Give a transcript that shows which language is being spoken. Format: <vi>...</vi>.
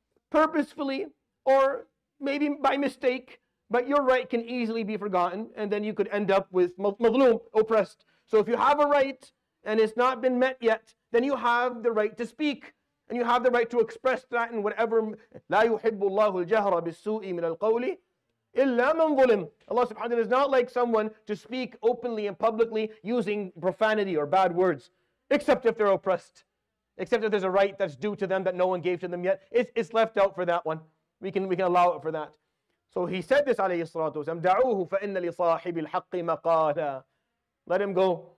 <en>Purposefully, or maybe by mistake, but your right can easily be forgotten, and then you could end up with mazloom, oppressed. So if you have a right, and it's not been met yet, then you have the right to speak, and you have the right to express that in whatever.</en> <ar>لا يحب الله الجهر بالسوء من القول إلا من ظلم.</ar> <en>Allah subhanahu wa ta'ala is not like someone to speak openly and publicly using profanity or bad words, except if they're oppressed, except if there's a right that's due to them that no one gave to them yet. It's left out for that one. We can allow it for that. So he said this alayhi salatu wasalam,</en> <ar>da'uhu fa'inna li sahibi al-haqqi maqala.</ar> <en>Let him go.</en>